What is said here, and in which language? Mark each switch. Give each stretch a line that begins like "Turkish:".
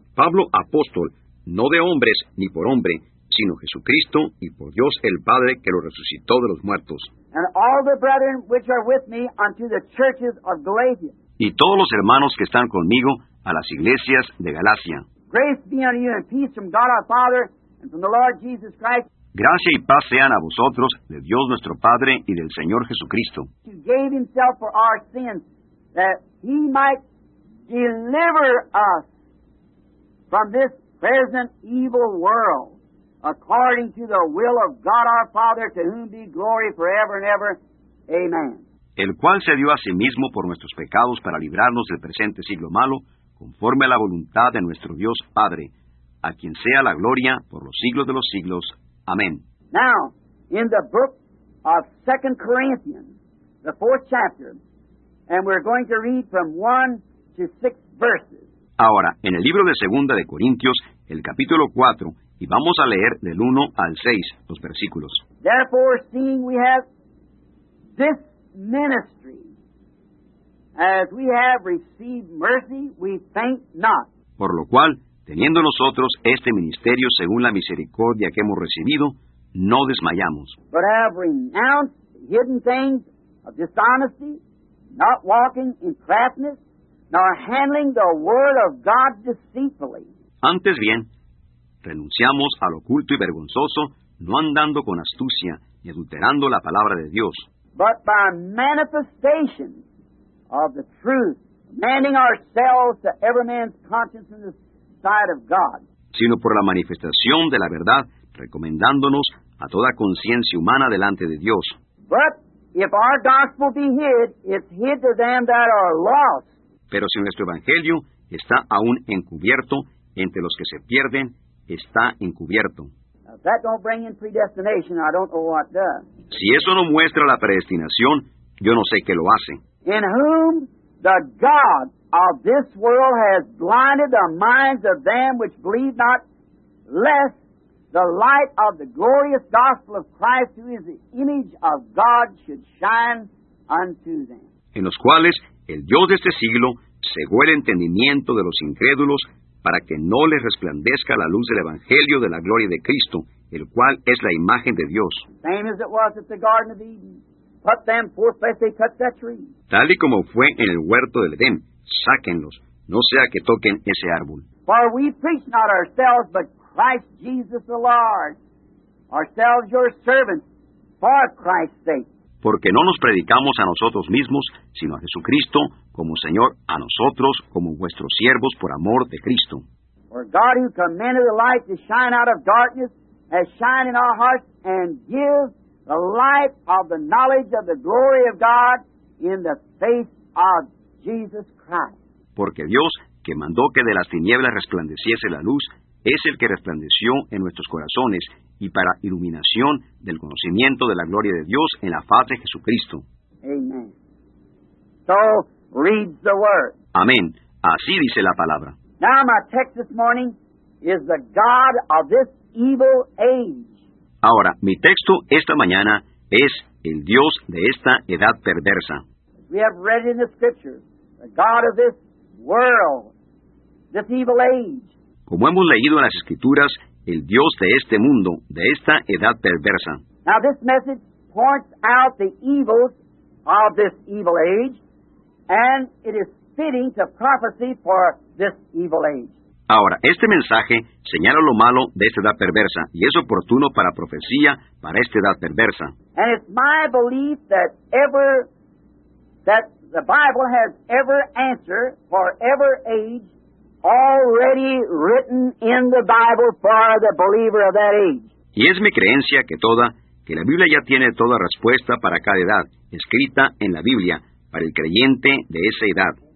Spanish: Pablo, apóstol, no de hombres ni por hombre, sino Jesucristo y por Dios el Padre que lo resucitó de los muertos.
English: And all the brethren which are with me unto the churches of Galatia.
Spanish: Y todos los hermanos que están conmigo a las iglesias de Galacia.
English: Grace be unto you and peace from God our Father and from the Lord Jesus Christ.
Spanish: Gracia y paz sean a vosotros, de Dios nuestro Padre y del Señor Jesucristo.
English: He gave himself for our sins, that he might deliver us from this present evil world, according to the will of God our Father, to whom be glory forever and ever. Amen.
Spanish: El cual se dio a sí mismo por nuestros pecados para librarnos del presente siglo malo, conforme a la voluntad de nuestro Dios Padre, a quien sea la gloria por los siglos de los siglos. Amén.
English: Now, in the book of 2 Corinthians, the 4th chapter, and we're going to read from 1 to 6 verses.
Spanish: Ahora, en el libro de 2 de Corintios, el capítulo 4, y vamos a leer del 1 al 6 los versículos.
English: Therefore, seeing we have this ministry, as we have received mercy, we faint not.
Spanish: Por lo cual, teniendo nosotros este ministerio según la misericordia que hemos recibido, no desmayamos.
English: But have renounced hidden things of dishonesty, not walking in craftiness, nor handling the word of God deceitfully.
Spanish: Antes bien, renunciamos al oculto y vergonzoso, no andando con astucia y adulterando la palabra de Dios.
English: But by manifestation of the truth, commanding ourselves to every man's conscience in the sight of God.
Spanish: Sino por la manifestación de la verdad, recomendándonos a toda conciencia humana delante de Dios.
English: But if our gospel be hid, it's hid to them that are lost.
Spanish: Pero si nuestro evangelio está aún encubierto, entre los que se pierden, está encubierto.
English: If that don't bring in predestination, I don't know what does.
Spanish: Si eso no muestra la predestinación, yo no sé qué lo hace.
English: In whom the God of this world has blinded the minds of them which believe not, lest the light of the glorious gospel of Christ, who is the image of God, should shine unto them.
Spanish: En los cuales el Dios de este siglo cegó el entendimiento de los incrédulos para que no les resplandezca la luz del evangelio de la gloria de Cristo, el cual es la imagen de Dios.
English: Same as it was at the Garden of Eden. Cut them forth, lest they cut that tree.
Spanish: Tal y como fue en el huerto del Edén, sáquenlos, no sea que toquen ese árbol.
English: For we preach not ourselves, but Christ Jesus the Lord, ourselves your servants, for Christ's sake.
Spanish: Porque no nos predicamos a nosotros mismos, sino a Jesucristo como Señor, a nosotros como vuestros siervos por amor de Cristo.
English: For God who commanded the light to shine out of darkness, has shined in our hearts and gives the light of the knowledge of the glory of God in the face of Jesus Christ.
Spanish: Porque Dios, que mandó que de las tinieblas resplandeciese la luz, es el que resplandeció en nuestros corazones y para iluminación del conocimiento de la gloria de Dios en la faz de Jesucristo.
English: Amen. So, read the word.
Spanish: Amén. Así dice la palabra.
English: Now my text this morning is the God of this evil age.
Spanish: Ahora, mi texto esta mañana es el Dios de esta edad perversa.
English: We have read in the scriptures, the God of this world, this evil age.
Spanish: Como hemos leído en las escrituras, el Dios de este mundo, de esta edad perversa.
English: Now this message points out the evils of this evil age, and it is fitting to prophecy for this evil age.
Spanish: Ahora, este mensaje señala lo malo de esta edad perversa, y es oportuno para profecía para esta edad perversa.
English: And it's my belief that ever, that the Bible has ever answered for ever age already written in the Bible for the believer of that age.
Spanish: Y es mi creencia que toda, que la Biblia ya tiene toda respuesta para cada edad, escrita en la Biblia, para el creyente de esa edad.